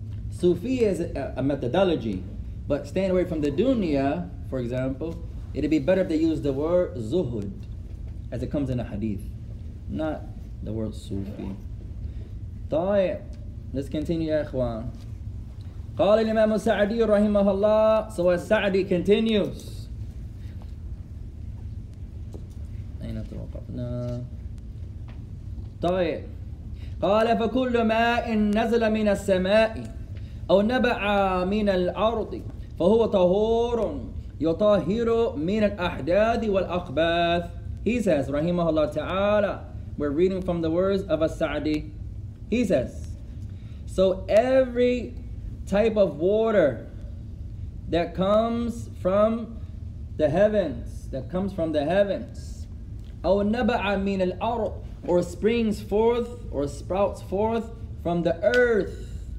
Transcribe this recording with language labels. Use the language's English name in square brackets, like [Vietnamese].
[English] Sufi is a methodology, but staying away from the dunya, for example, it'd be better if they use the word zuhud, as it comes in a hadith, not the word Sufi. طيب, let's continue, ya ikhwan. [Arabic] قال الإمام السعدي رحمه الله. [English] So as Sa'di continues, [Arabic] توقفنا. طيب قال فكل ماء نزل من السماء أو نبع من الأرض فهو طهور يطهر من الأحداث والأخباث. [English] He says [Arabic] رحمه الله تعالى, [English] we're reading from the words of As-Sa'di. He says, so every type of water that comes from the heavens, that comes from the heavens, [Arabic] أو نبع من الأرض, [English] or springs forth or sprouts forth from the earth.